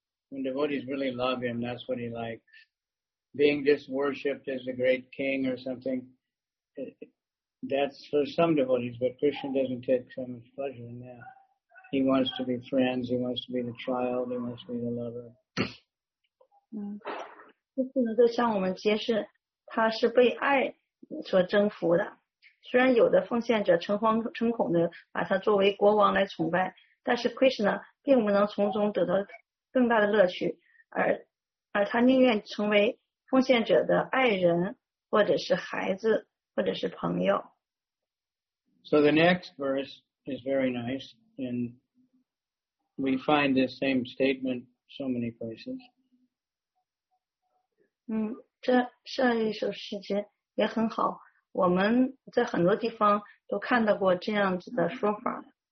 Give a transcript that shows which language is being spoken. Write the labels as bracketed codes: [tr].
[en] When devotees really love him, that's what he likes. Being just worshipped as a great king or something, that's for some devotees, but Krishna doesn't take so much pleasure in that. He wants to be friends, he wants to be the child, he wants to be the lover. [zh] 就不能够向我们揭示他是被爱所征服的。虽然有的奉献者诚惶诚恐地把他作为国王来崇拜，但是 Krishna 并不能从中得到更大的乐趣，而他宁愿成为奉献者的爱人，或者是孩子，或者是朋友。 [en] So the next verse is very nice. And we find this same statement so many places. [zh] 这下一首诗节也很好，我们在很多地方都看到过这样子的说法。